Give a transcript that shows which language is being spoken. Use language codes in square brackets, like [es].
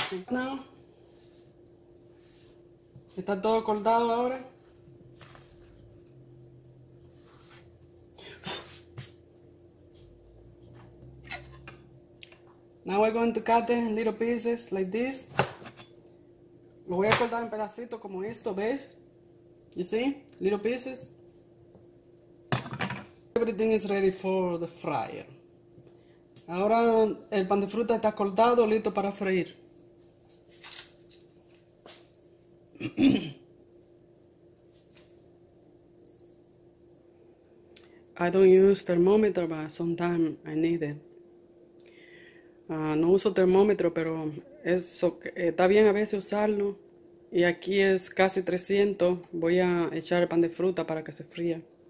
[es] Now. Está todo cortado ahora. [en] Now we're going to cut them in little pieces like this. [es] Lo voy a cortar en pedacitos como esto, ¿ves? [en] You see? Little pieces. Everything is ready for the fryer. [es] Ahora el pan de fruta está cortado, listo para freír. [en] I don't use thermometer, but sometimes I need it. [es] No uso termómetro, pero eso, está bien a veces usarlo. Y aquí es casi 300. Voy a echar el pan de fruta para que se fría.